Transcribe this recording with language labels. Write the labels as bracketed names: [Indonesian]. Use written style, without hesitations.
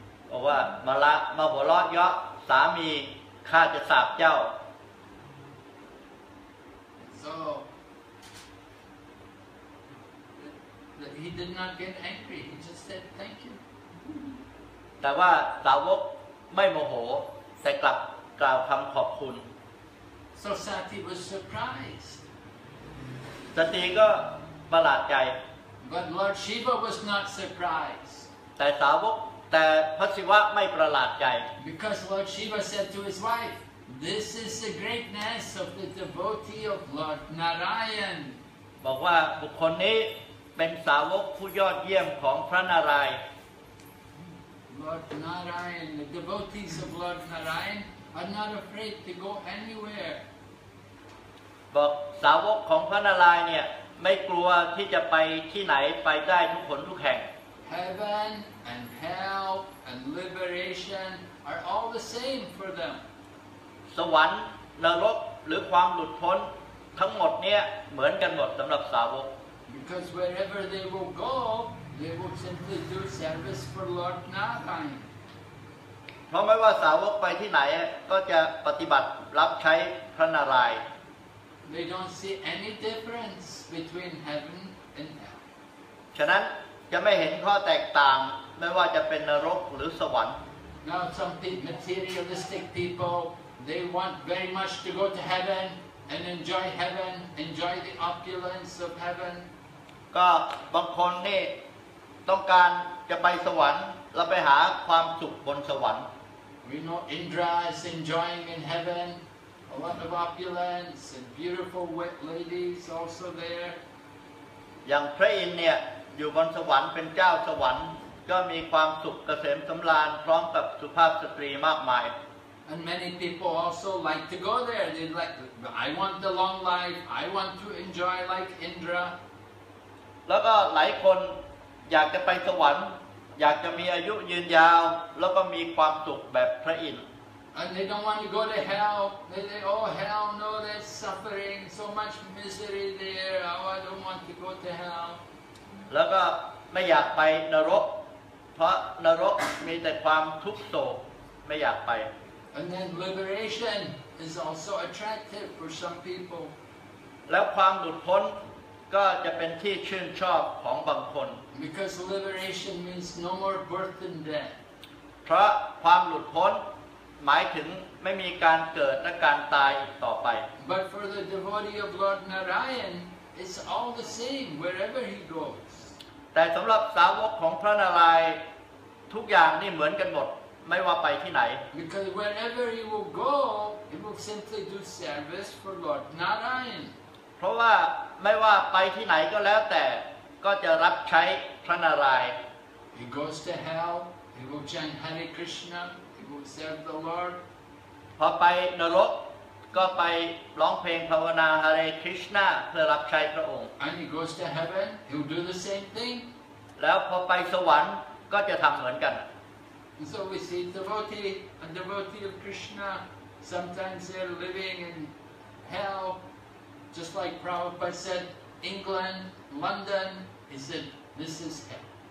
[Thai] บอกว่ามาละมาหัวเราะเยาะสามีข้าจะสาปเจ้า [English] so he did not get angry he just said thank you [Thai] แต่ว่าสาวกไม่โมโหแต่กลับกล่าวคำขอบคุณ [English] so Sati was surprised [Thai] สตีก็ประหลาดใจ [English] but Lord Shiva was not surprised [Thai] แต่สาวกแต่พระศิวะไม่ประหลาดใจ [English] Because Lord Shiva said to his wife, "This is the greatness of the devotee of Lord Narayan." [Thai] บอกว่าบุคคลนี้เป็นสาวกผู้ยอดเยี่ยมของพระนารายณ์ [English] Lord Narayan, the devotees of Lord Narayan are not afraid to go anywhere. [Thai] บอกสาวกของพระนารายณ์เนี่ยไม่กลัวที่จะไปที่ไหนไปได้ทุกคนทุกแห่ง [English] Heaven and hell and liberation are all the same for them. [Thai] สวรรค์นรกหรือความหลุดพ้นทั้งหมดเนี่ยเหมือนกันหมดสำหรับสาวก [English] Because wherever they will go, they will simply do service for Lord Narayan. [Thai] เพราะไม่ว่าสาวกไปที่ไหนก็จะปฏิบัติรับใช้พระนาราย [English] ณ์ They don't see any difference between heaven and hell. [Thai] ฉะนั้นจะไม่เห็นข้อแตกต่างไม่ว่าจะเป็นนรกหรือสวรรค์ [English] Now some materialistic people they want very much to go to heaven and enjoy heaven enjoy the opulence of heaven [Thai] ก็บางคนนี่ต้องการจะไปสวรรค์แล้วไปหาความสุขบนสวรรค์ [English] We know Indra is enjoying in heaven a lot of opulence and beautiful ladies also there [Thai] อย่างพระอินทร์เนี่ยอยู่บนสวรรค์เป็นเจ้าสวรรค์ก็มีความสุขเกษมสำราญพร้อมกับสุภาพสตรีมากมาย [English] And many people also like to go there. They like, I want the long life. I want to enjoy like Indra. [Thai] แล้วก็หลายคนอยากจะไปสวรรค์อยากจะมีอายุยืนยาวแล้วก็มีความสุขแบบพระอินทร์ [English] And they don't want to go to hell. They say, oh hell, no, there's suffering, so much misery there. Oh, I don't want to go to hell. [Thai] แล้วก็ไม่อยากไปนรกเพราะนรกมีแต่ความทุกข์โศกไม่อยากไป [English] And then liberation is also attractive for some people [Thai] แล้วความหลุดพ้นก็จะเป็นที่ชื่นชอบของบางคน [English] Because liberation means no more birth and death [Thai] เพราะความหลุดพ้นหมายถึงไม่มีการเกิดและการตายต่อไป [English] But for the devotee of Lord Narayan it's all the same wherever he goes [Thai] แต่สำหรับสาวกของพระนารายณ์ทุกอย่างนี่เหมือนกันหมดไม่ว่าไปที่ไหน [English] Because wherever he will go, he will simply do service for Lord Narayan. [Thai] เพราะว่าไม่ว่าไปที่ไหนก็แล้วแต่ก็จะรับใช้พระนารายณ์ [English] he goes to hell, he will chant Hare Krishna, he will serve the Lord. [Thai] พอไปนรกก็ไปร้องเพลงภาวนา Hare Krishna เพื่อรับใช้พระองค์ [English] And he goes to heaven, he'll do the same thing. [Thai] แล้วพอไปสวรรค์ก็จะทำเหมือนกัน [English] And so we see devotee, a devotee of Krishna, sometimes they're living in hell, just like Prabhupada said, England, London, he said, this is hell.